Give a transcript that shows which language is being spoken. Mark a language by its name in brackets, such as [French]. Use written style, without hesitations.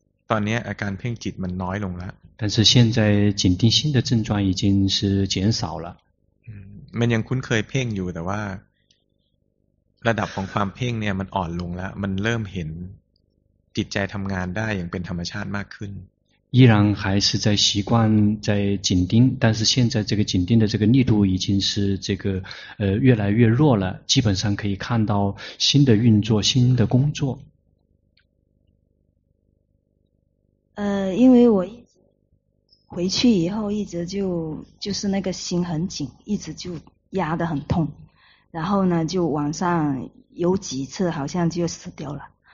[Thai] ตอนนี้อาการเพ่งจิตมันน้อยลงแล้ว [Chinese] 但是现在紧盯心的症状已经是减少了。 [Thai] มันยังคุ้นเคยเพ่งอยู่แต่ว่า ระดับของความเพ่งเนี่ยมันอ่อนลงแล้วมันเริ่มเห็นจิตใจทำงานได้อย่างเป็นธรรมชาติมากขึ้น [Chinese] 依然还是在习惯在紧盯，但是现在这个紧盯的这个力度已经是这个越来越弱了，基本上可以看到新的运作，新的工作。因为我一直回去以后一直就是那个心很紧，一直就压得很痛，然后呢就晚上有几次好像就死掉了，